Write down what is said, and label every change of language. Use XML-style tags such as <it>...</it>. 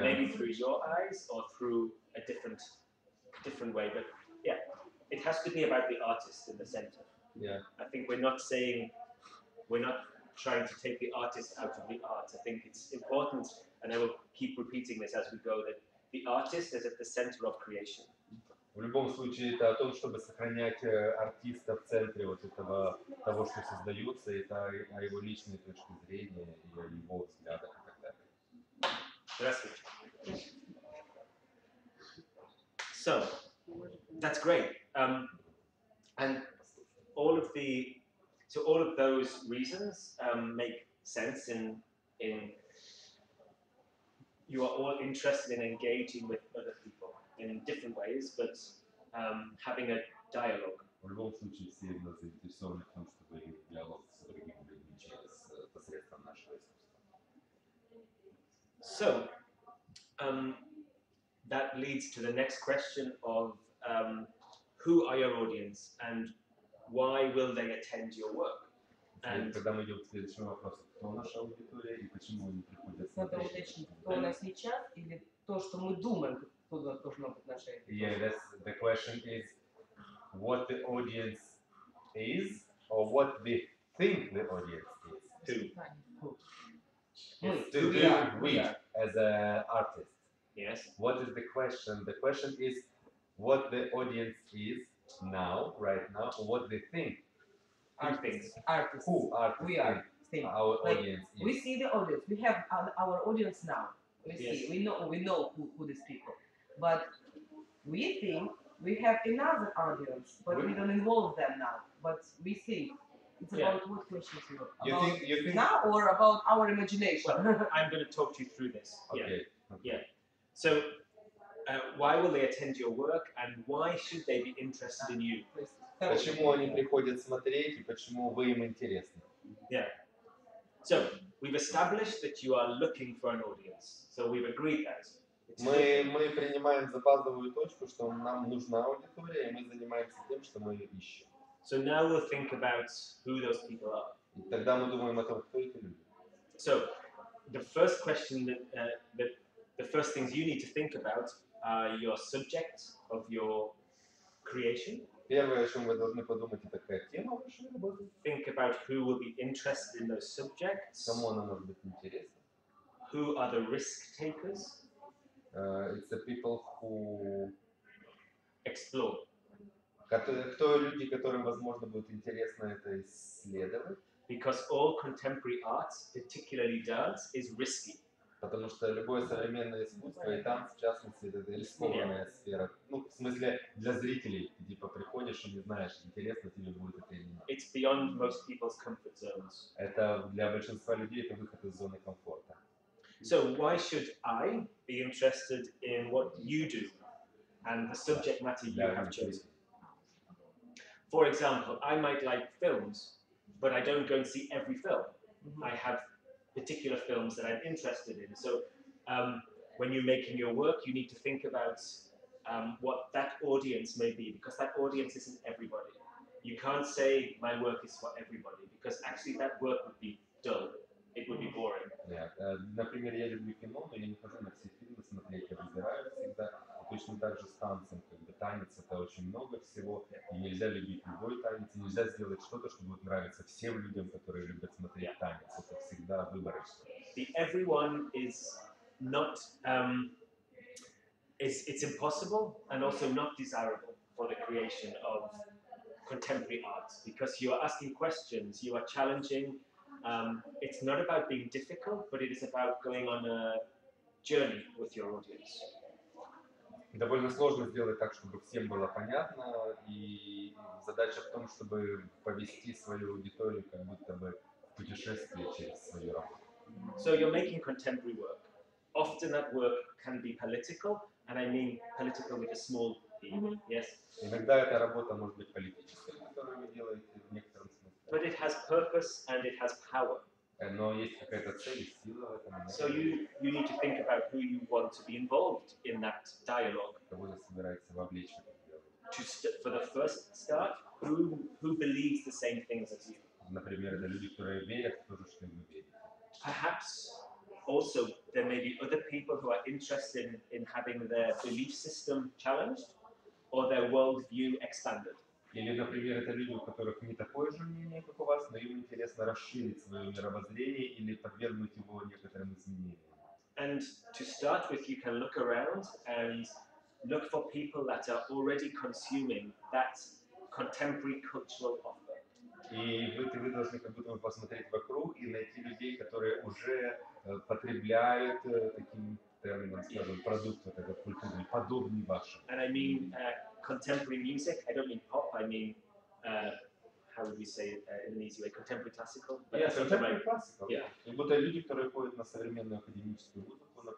<en>Maybe through your eyes or through a different way. But yeah, it has to be about the artist in the center. Yeah. I think we're not trying to take the artist out of the art. I think it's important, and I will keep repeating this as we go, that the artist is at the center of creation.</en> <ru>В любом случае, это о том, чтобы сохранять артиста в центре вот этого того, что создается, это о его личной точке зрения и о его взглядах и так далее. Здравствуйте.</ru> <en>So, that's great. And all of those reasons make sense in you are all interested in engaging with other people in different ways, but having a dialogue.</en> <ru>В любом случае, все мы заинтересованы в том, чтобы иметь диалог с другими людьми через посредством нашего искусства.</ru> <en>So, that leads to the next question of who are your audience and why will they attend your work? And</en> <ru>когда мы идем к следующему вопросу, кто наша аудитория и почему они приходят на наши? Надо уточнить, кто у нас сейчас или то, что мы думаем.</ru> <en>Yeah, that's the question is what the audience is or what they think the audience is. To be we as an artist. Yes. What is the question? The question is what the audience is now, right now, or what they think. Artists. Who artists we are think our like, audience is. We see the audience. We have our audience now. We yes. see. We know who these people. But we think we have another audience, but we don't involve them now. But we think it's yeah. about what questions you about think now or about our imagination. Well, I'm going to talk to you through this. Okay. Yeah. Okay. Yeah. So why will they attend your work and why should they be interested in you?</en> <ru>Почему они приходят смотреть и почему вы им интересны?</ru> <en>Yeah. So we've established that you are looking for an audience. So we've agreed that.</en> <ru>Мы принимаем за базовую точку, что нам нужна аудитория, и мы занимаемся тем, что мы ее ищем.</ru> <en>So now we'll think about who those people are.</en> <ru>И тогда мы думаем о том, кто эти люди.</ru> <en>So the first question that the first things you need to think about are your subject of your creation.</en> <ru>Первое, о чем вы должны подумать, это какая тема вашей работы.</ru> <en>Think about who will be interested in those subjects.</en> <ru>Кому она может быть интересна?</ru> <en>Who are the risk takers? It's the people who explore.</en> <ru>Кто люди, которым возможно будет интересно это исследовать?</ru> <en>Because all contemporary art, particularly dance, is risky.</en> <ru>Потому что любое современное искусство и танцы, в частности, это рискованная</ru> <en>yeah.</en> <ru>сфера. Ну, в смысле для зрителей, ты типа приходишь и не знаешь, интересно тебе будет это или нет.</ru> <en>It's beyond most people's comfort zones.</en> <ru>Это для большинства людей это выход из зоны комфорта.</ru> <en>So why should I be interested in what you do and the subject matter you have chosen? For example, I might like films, but I don't go and see every film. Mm-hmm. I have particular films that I'm interested in. So when you're making your work, you need to think about what that audience may be, because that audience isn't everybody. You can't say my work is for everybody, because actually that work would be dull. It would be boring. Yeah.</en> <ru>Например, я люблю кино, но я не хожу на все фильмы смотреть, я выбираю всегда. Точно так же с танцем, как бы танец это очень много всего, и нельзя любить любой танец, и нельзя сделать что-то, что будет нравиться всем людям, которые любят смотреть</ru> <en>yeah.</en> <ru>танец. Это всегда выборочно.</ru> <en>The everyone is not it's impossible and also not desirable for the creation of contemporary art, because you are asking questions, you are challenging. It's not about being difficult, but it is about going on a journey with your audience.</en> <ru>Довольно сложно сделать так, чтобы всем было понятно, и задача в том, чтобы повести свою аудиторию как будто бы в путешествие через свою работу.</ru> <en>So you're making contemporary work. Often that work can be political, and I mean political with a small p. Yes.</en> <ru>Иногда эта работа может быть политической, которую вы делаете в некотором смысле.</ru> <en>But it has purpose and it has power.</en> <ru>Но есть какая-то цель, сила в этом.</ru> <en>So you need to think about who you want to be involved in that dialogue.</en> <ru>Кого вы собираетесь вовлечь в этот диалог?</ru> <en>For the first start, who believes the same things as you?</en> <ru>Например, это люди, которые верят в то же, что вы верите.</ru> <en>Perhaps also there may be other people who are interested in having their belief system challenged or their worldview expanded.</en> <ru>Или, например, это люди, у которых не такое же мнение, как у вас, но им интересно расширить свое мировоззрение или подвергнуть его некоторым изменениям.</ru> <en>And to start with, you can look around and look for people that are already consuming that contemporary cultural offer.</en> <ru>И вы должны как будто бы посмотреть вокруг и найти людей, которые уже потребляют таким термином, скажем, продукт вот этот культурный, подобный вашему.</ru> <en>And I mean, contemporary music. I don't mean pop. I mean, how would we say it in an easy way? Contemporary classical. Yeah, contemporary classical. Yeah.</en> <ru>Будто люди, которые ходят на современную академическую музыку,</ru>